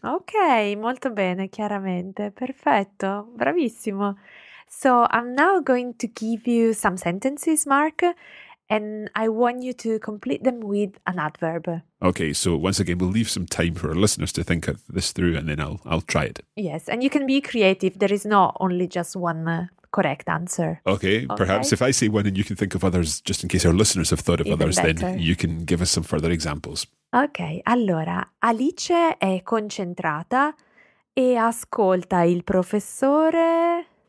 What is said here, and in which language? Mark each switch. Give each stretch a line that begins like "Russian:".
Italian: Ok, molto bene, chiaramente. Perfetto, bravissimo.
English: So I'm now going to give you some sentences, Mark. And I want you to complete them with an adverb. Okay, so once again, we'll leave some time for our listeners to think of this through and then I'll try it. Yes, and you can be creative. There is not only just one correct answer. Okay, perhaps if I say one and you can think of others, just in case our listeners have thought of Even others, better. Then you can give us some further examples.
Italian: Ok, allora, Alice è concentrata e ascolta il professore...